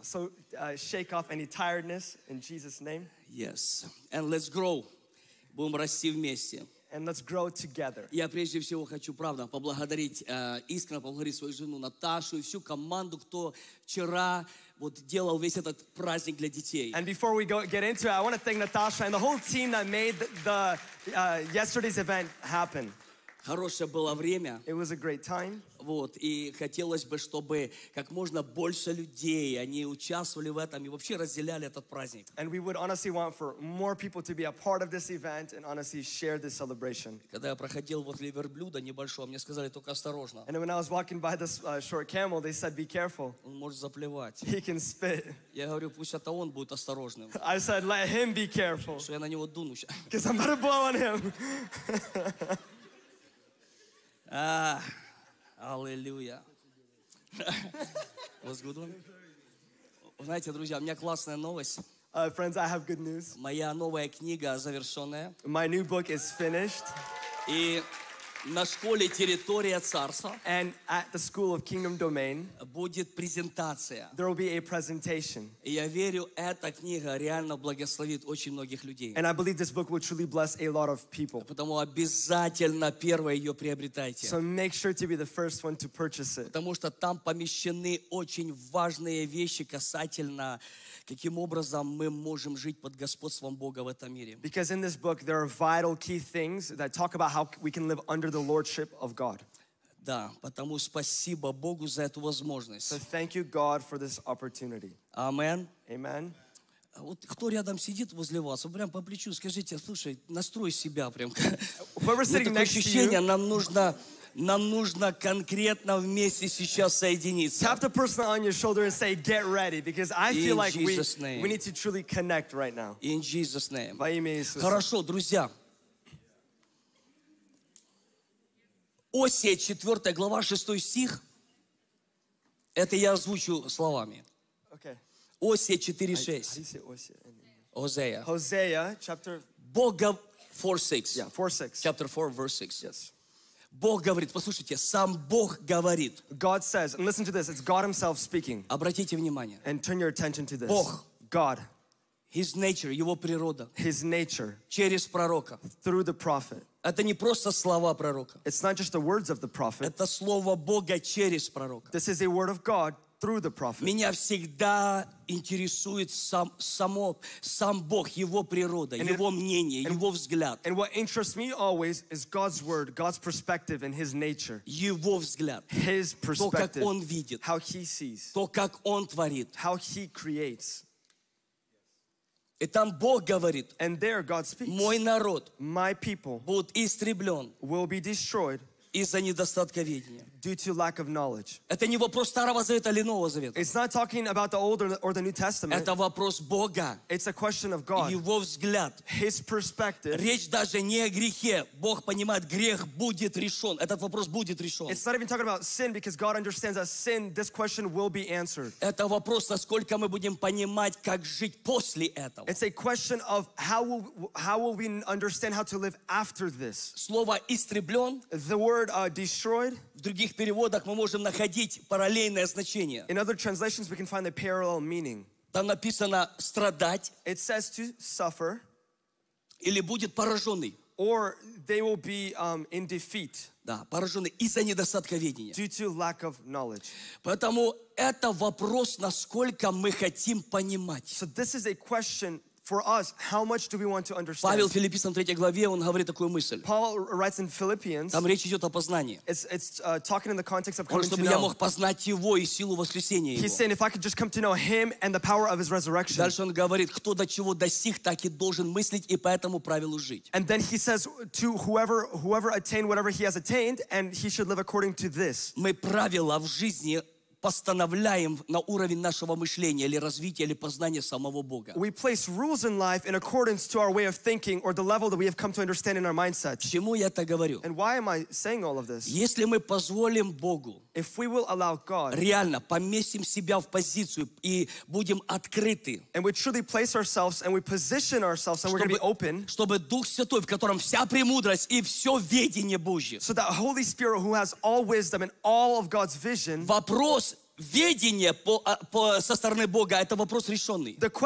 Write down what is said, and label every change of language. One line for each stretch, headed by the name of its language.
English: So, shake off any tiredness in Jesus' name. Yes. And let's grow.
Russian: Будем расти вместе.
English: And let's grow together.
Russian: Я прежде всего хочу, правда, поблагодарить, искренне поблагодарить свою жену Наташу и всю команду, кто вчера вот делал весь этот праздник для детей.
English: And before we go get into it, I want to thank Natasha and the whole team that made the yesterday's event happen.
Russian: Хорошее было время.
English: It was a great time.
Russian: Вот, и хотелось бы, чтобы как можно больше людей, они участвовали в этом и вообще разделяли этот праздник.
English: And we would honestly want for more people to be a part of this event and honestly share this celebration.
Russian: Когда я проходил возле верблюда небольшого, мне сказали только осторожно.
English: And when I was walking by this short camel, they said, be careful.
Russian: Он может заплевать.
English: He can spit.
Russian: Я говорю, пусть это он будет осторожным.
English: I said, let him be careful.
Russian: Что я на него дуну сейчас.
English: Because I'm gonna blow on him.
Russian: Аллилуйя.
English: Was good one.
Russian: Знаете, друзья, у меня классная новость.
English: Friends, I have good news.
Russian: Моя новая книга завершенная.
English: My new book is finished.
Russian: И на школе Территория Царства.
English: And at the School of Kingdom Domain.
Russian: Будет презентация.
English: There will be a presentation.
Russian: И я верю, эта книга реально благословит очень многих людей.
English: And I believe this book will truly bless a lot of people.
Russian: Потому обязательно первое ее приобретайте.
English: So make sure to be the first one to purchase it.
Russian: Потому что там помещены очень важные вещи касательно каким образом мы можем жить под господством Бога в этом мире.
English: Because in this book there are vital key things that talk about how we can live under the lordship of God.
Russian: Да, потому спасибо Богу за эту возможность.
English: So thank you God for this opportunity. Amen. Amen.
Russian: Вот кто рядом сидит возле вас, прям по плечу скажите, слушай, настрой себя прям.
English: Whoever's sitting next to you.
Russian: Это ощущение, нам нужно конкретно вместе сейчас соединиться.
English: Tap the person on your shoulder and say, get ready, because I feel like we need to truly connect right now. In Jesus' name.
Russian: Во имя Иисуса. Хорошо, друзья. Осия 4, глава 6 стих. Это я озвучу словами.
English: Okay.
Russian: Осия 4, 6.
English: Hosea. Hosea, chapter...
Russian: Бога 4, 6.
English: Yeah, 4, 6. Chapter 4, verse 6. Yes.
Russian: Бог говорит, послушайте, сам Бог говорит.
English: God says, and listen to this, it's God himself speaking.
Russian: Обратите внимание.
English: And turn your attention to this.
Russian: Бог.
English: God. His nature,
Russian: его природа.
English: His nature.
Russian: Через пророка.
English: Through the prophet.
Russian: Это не просто слова пророка.
English: It's not just the words of the prophet.
Russian: Это слово Бога через пророка.
English: This is a word of God through the prophet.
Russian: Меня всегда интересует сам Бог, его природа, and его мнение, его взгляд.
English: And what interests me always is God's word, God's perspective and his nature.
Russian: Его взгляд.
English: His perspective.
Russian: То, как он видит.
English: How he sees.
Russian: То, как он творит.
English: How he creates.
Russian: И там Бог говорит,
English: and there God speaks,
Russian: мой народ,
English: my people,
Russian: будет истреблен,
English: will be destroyed,
Russian: из-за недостатка видения,
English: due to lack of knowledge.
Russian: Это не вопрос старого завета или нового завета.
English: It's not talking about the old or the new testament.
Russian: Это вопрос Бога.
English: It's a question of God.
Russian: Его взгляд,
English: his perspective.
Russian: Речь даже не о грехе. Бог понимает, грех будет решен. Этот вопрос будет решен.
English: It's not even talking about sin because God understands that sin, this question will be answered.
Russian: Это вопрос, насколько мы будем понимать, как жить после этого.
English: It's a question of how will we understand how to live after this.
Russian: Слово истреблен,
English: the word destroyed.
Russian: В других переводах мы можем находить параллельное значение.
English: In other translations we can find a parallel meaning.
Russian: Там написано страдать.
English: It says to suffer.
Russian: Или будет пораженный.
English: Or they will be in defeat.
Russian: Да, пораженный из-за недостатка видения.
English: Due to lack of knowledge.
Russian: Поэтому это вопрос, насколько мы хотим понимать.
English: So this is a question for us, how much do we want to understand?
Russian: Павел Филиппийцам 3 главе он говорит такую мысль.
English: Paul writes in Philippians.
Russian: Там речь идет о познании.
English: It's talking in the context of coming to know.
Russian: Я мог познать его и силу воскресения его.
English: He's saying if I could just come to know him and the power of his resurrection.
Russian: Дальше он говорит, кто до чего достиг, так и должен мыслить и по этому правилу жить.
English: And then he says to whoever attained whatever he has attained, and he should live according to this.
Russian: Мы правила в жизни постановляем на уровень нашего мышления или развития или познания самого Бога.
English: We place rules in life in accordance to our way of thinking or the level that we have come to understand in our mindset.
Russian: Почему я это говорю?
English: And why am I saying all of this?
Russian: Если мы позволим Богу,
English: If we will allow God,
Russian: реально поместим себя в позицию и будем открыты,
English: and we truly place ourselves and we position ourselves and we're going to be open,
Russian: чтобы Дух Святой, в котором вся премудрость и все ведение Божье,
English: so that Holy Spirit who has all wisdom and all of God's vision,
Russian: вопрос ведения со стороны Бога это вопрос решенный.